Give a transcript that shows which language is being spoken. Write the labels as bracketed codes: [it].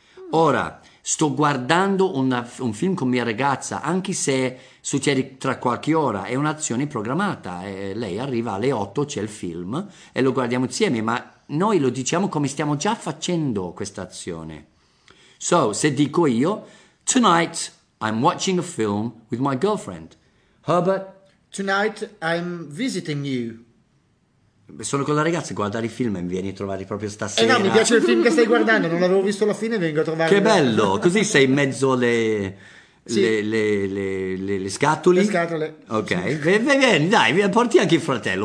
[it] Ora, sto guardando un film con mia ragazza, anche se succede tra qualche ora, è un'azione programmata, lei arriva alle 8, c'è il film e lo guardiamo insieme, ma noi lo diciamo come stiamo già facendo questa azione. [en] So, [it] se dico io, [en] tonight I'm watching a film with my girlfriend. Herbert? Tonight I'm visiting you. [it] Sono con la ragazza, guardare i film e mi vieni a trovare proprio stasera. No, mi piace il film che stai guardando, non avevo visto la fine e vengo a trovare. Che bello, così sei in mezzo le scatole. Le scatole. Ok, sì. Vieni, dai, porti anche il fratello,